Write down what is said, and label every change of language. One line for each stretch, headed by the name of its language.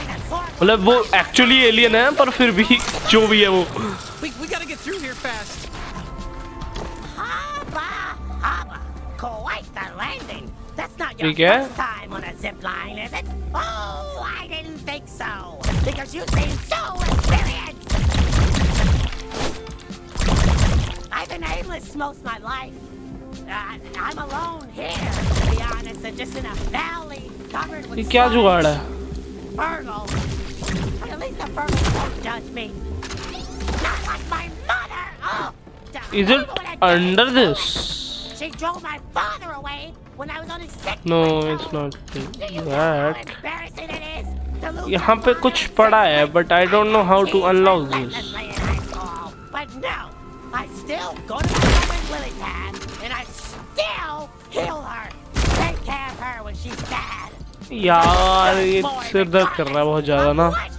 Hindi: मतलब वो actually alien है, पर फिर भी जो भी है वो.
English: We gotta get through here fast. Hoppa, hoppa. Quite the landing. That's not your first time on a zip line, is it? Oh, I didn't think so. Because you seem so experienced. I've been aimless most of my life. I'm alone here, to be honest, and just in a valley covered with snow. What's going on? Fergal. At least the Fergal won't judge me. Not like my mother! Oh, is it under this? She drove my father away. When I was only six, no, it's not that. Do you know how embarrassing it is to lose?
Hindi: यहाँ पे कुछ पड़ा है,
English: but I don't know how to unlock this. But no, I still go to the woman Lily Pad, and I still heal her. Take care of her when she's sad.
Hindi: यार ये सिर दर्द कर रहा है बहुत ज़्यादा ना.